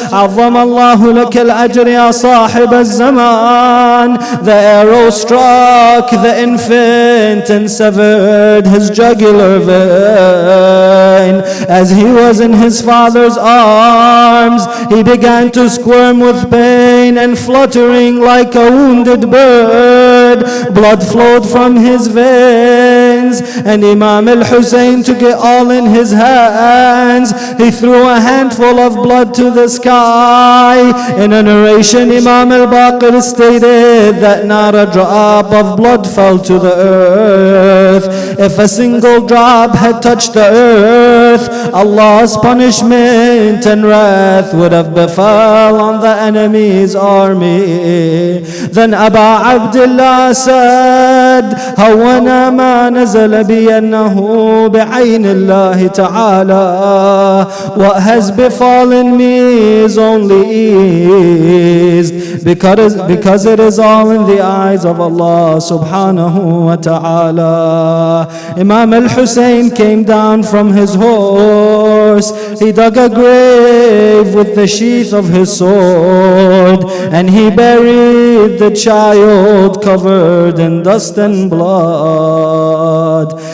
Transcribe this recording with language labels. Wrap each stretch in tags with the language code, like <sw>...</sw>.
<ar>عظم الله لك الأجر يا صاحب الزمان.</ar> <en>The arrow struck the infant and severed his jugular vein. As he was in his father's arms, he began to squirm with pain and fluttering like a wounded bird. Blood flowed from his veins, and Imam al-Hussein took it all in his hands. He threw a handful of blood to the sky. In a narration, Imam al-Baqir stated that not a drop of blood fell to the earth. If a single drop had touched the earth, Allah's punishment and wrath would have befell on the enemy's army. Then Aba Abdullah said,</en> <ar>هونا ما نزل بأنه بعين الله تعالى.</ar> <en>What has befallen me is only eased because it is all in the eyes of Allah subhanahu wa ta'ala. Imam al-Hussein came down from his horse. He dug a grave with the sheath of his sword, and he buried the child covered in dust and blood.</en>